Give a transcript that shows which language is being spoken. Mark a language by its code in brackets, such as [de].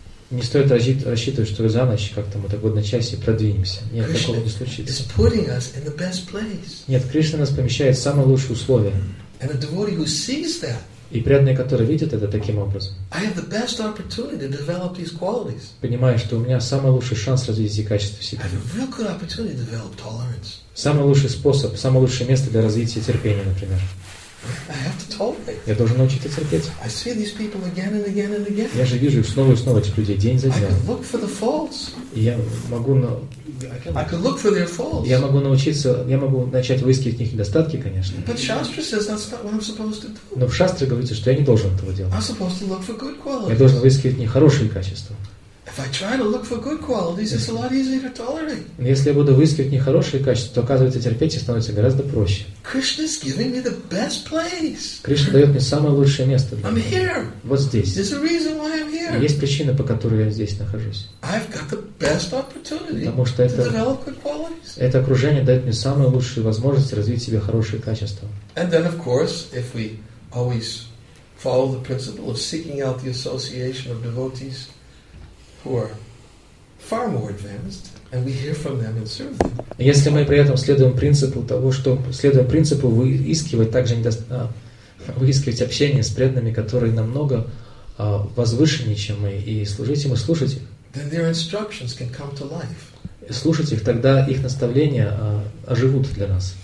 [ru] Не стоит рассчитывать, что за ночь как-то мы так в одночасье продвинемся. Нет, [en] Krishna [ru] такого не случится. [en] Is putting us in the best place. [ru] Нет, Кришна нас помещает в самые лучшие условия. [en] And a devotee who sees that. [ru] И преданные, которые видят это таким образом, [en] I have the best opportunity to develop these qualities. [ru] Понимая, что у меня самый лучший шанс развить эти качества в себе. [en] I have a real good opportunity to develop tolerance. [ru] Самый лучший способ, самое лучшее место для развития терпения, например. [en] I have to tolerate. [ru] Я должен научиться терпеть. [en] I see these people again and again and again. [ru] Я же вижу их снова и снова, этих людей, день за днем. [en] I can look for the faults. I can look for their faults. [ru] Я могу научиться, я могу начать выискивать в них недостатки, конечно. [en] But Shastra says that's not what I'm supposed to do. [ru] Но в Шастре говорится, что я не должен этого делать. [en] I'm supposed to look for good qualities. [ru] Я должен выискивать в них хорошие качества. [en] If I try to look for good qualities, it's a lot easier to tolerate. [ru] Если я буду выискивать нехорошие качества, то оказывается терпеть становится гораздо проще. [en] Krishna's giving me the best place. [ru] Кришна дает мне самое лучшее место. [en] I'm here. [ru] Вот здесь. [en] There's a reason why I'm here. [ru] Есть причина, по которой я здесь нахожусь. [en] I've got the best opportunity. [ru] Потому что это, [en] to develop good qualities. [ru] Это окружение дает мне самые лучшие возможности развить в себе хорошие качества. [en] And then, of course, if we always follow the principle of seeking out the association of devotees. Who are far more advanced, and we hear from them and serve them. [ru] Если мы при этом следуем принципу того, что следуем принципу выискивать также выискивать общение с преданными, которые намного возвышеннее, чем мы, и служить им и слушать их. [en] Then their instructions can come to life. [ru] И слушать их, тогда их наставления оживут для нас.